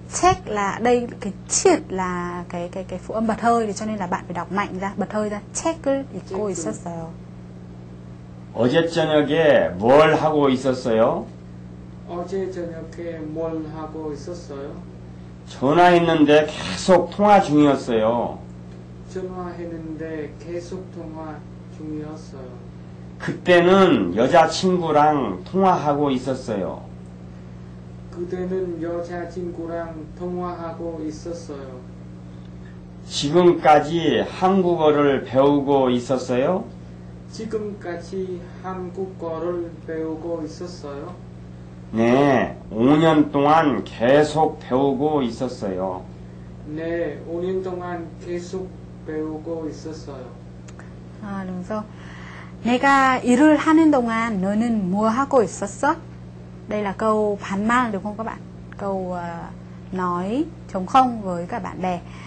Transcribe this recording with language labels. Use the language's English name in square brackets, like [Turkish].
[Vietnamese] Check là đây cái chiết là cái phụ âm bật hơi thì cho nên là bạn phải đọc mạnh ra, bật hơi ra. [Korean] 책을 읽고 있었어요. 어제 저녁에 뭘 하고 있었어요? 어제 저녁에 뭘 하고 있었어요? 전화했는데 계속 통화 중이었어요. 전화했는데 계속 통화 중이었어요. 그때는 여자친구랑 통화하고 있었어요. 그때는 여자친구랑 통화하고 있었어요. 지금까지 한국어를 배우고 있었어요? 지금까지 한국어를 배우고 있었어요? 네, 5년 동안 계속 배우고 있었어요. 네, 5년 동안 계속 배우고 있었어요. 아, 그래서 내가 일을 하는 동안 너는 뭐 하고 있었어? [Vietnamese] Đây là câu phản mang đúng không các bạn? Câu nói trống không với các bạn bè.